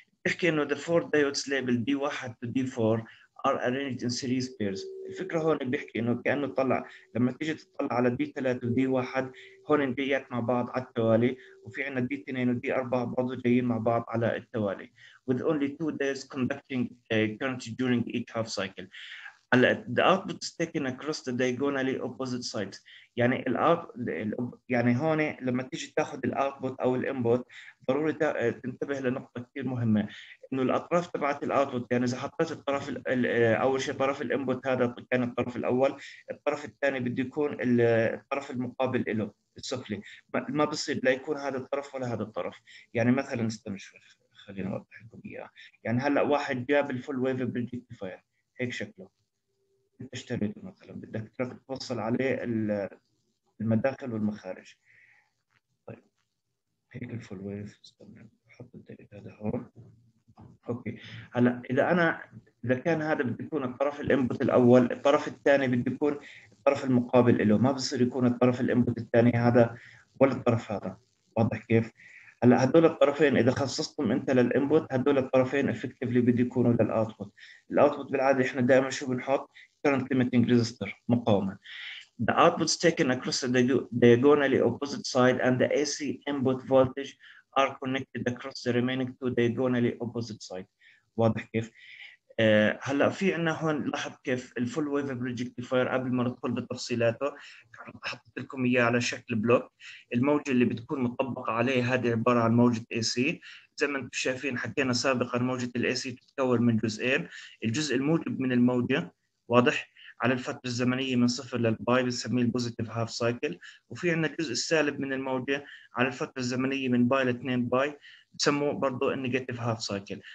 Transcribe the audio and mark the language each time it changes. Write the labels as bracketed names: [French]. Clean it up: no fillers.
[Arabic] بيحكي انه [English] the four diodes label D1 to D4 are arranged in series pairs. [Arabic] الفكره هون بيحكي انه كانه طلع لما تيجي تطلع على D3 و D1 هون جايات مع بعض على التوالي، وفي عندنا D2 و D4 برضه جايين مع بعض على التوالي. [English] With only two diodes conducting current during each half cycle. The output is taken across the diagonally opposite sides. [Arabic] يعني يعني هون لما تيجي تاخذ الاوتبوت او الانبوت ضروري تنتبه لنقطه كثير مهمه، انه الاطراف تبعت الاوتبوت، يعني اذا حطيت الطرف اول شيء طرف الانبوت هذا كان الطرف الاول، الطرف الثاني بده يكون الطرف المقابل له السفلي، ما بصير لا يكون هذا الطرف ولا هذا الطرف. يعني مثلا استنى خلينا اوضح لكم اياها، يعني هلا واحد جاب الفول ويف بالريكتيفاير هيك شكله، انت اشتريته مثلا بدك تروح توصل عليه المداخل والمخارج. طيب هيك الفول ويف، استنى حط الدليل هذا هون. اوكي هلا اذا انا اذا كان هذا بده يكون الطرف الانبوت الاول، الطرف الثاني بده يكون الطرف المقابل له، ما بصير يكون الطرف الانبوت الثاني هذا ولا الطرف هذا. واضح كيف؟ هلا هدول الطرفين اذا خصصتهم انت للانبوت، هدول الطرفين افكتفلي بده يكونوا للاوتبوت. الاوتبوت بالعاده احنا دائما شو بنحط؟ current limiting resistor مقاومه. [English] The outputs taken across the diagonally opposite side and the AC input voltage are connected across the remaining two diagonally opposite side. [Arabic] واضح كيف؟ هلا في عندنا هون لاحظ كيف الفول ويف بريدج ريكتيفاير، قبل ما ندخل بتفصيلاته حطيت لكم اياه على شكل بلوك. الموجه اللي بتكون مطبقه عليه هذه عباره عن موجه اي سي، زي ما انتم شايفين حكينا سابقا موجه الاي سي تتكون من جزئين، الجزء الموجب من الموجه واضح على الفترة الزمنية من صفر للباي بنسميه البوزيتيف هاف سايكل، وفي عندنا الجزء السالب من الموجة على الفترة الزمنية من باي لاثنين باي بسموه برضه النيجاتيف هاف سايكل.